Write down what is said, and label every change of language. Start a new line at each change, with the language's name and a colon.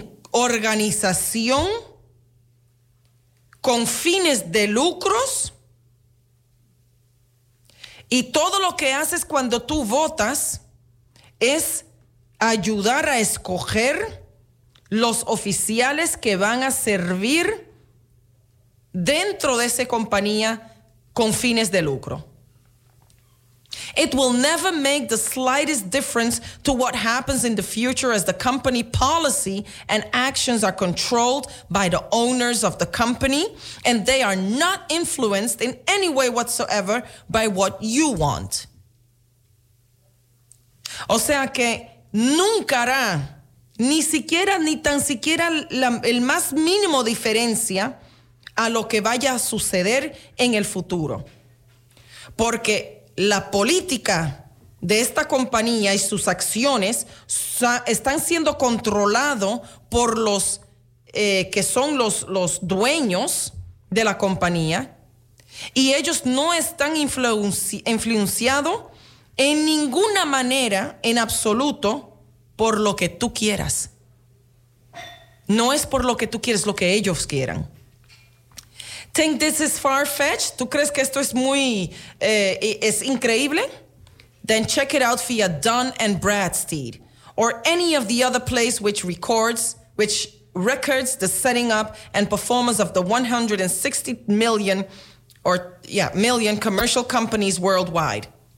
Spanish: organización con fines de lucros, y todo lo que haces cuando tú votas es ayudar a escoger los oficiales que van a servir dentro de esa compañía con fines de lucro.
English: It will never make the slightest difference to what happens in the future as the company policy and actions are controlled by the owners of the company and they are not influenced in any way whatsoever by what you want.
Spanish: O sea que nunca hará ni tan siquiera el más mínimo diferencia a lo que vaya a suceder en el futuro. Porque la política de esta compañía y sus acciones están siendo controlado por los que son los dueños de la compañía, y ellos no están influenciados en ninguna manera, en absoluto, por lo que tú quieras. No es por lo que tú quieres, lo que ellos quieran.
English: Think this is far-fetched?
Spanish: ¿Tú crees que esto es muy, es increíble?
English: Then check it out via Dun & Bradstreet or any of the other place which records the setting up and performance of the 160 million million commercial companies worldwide.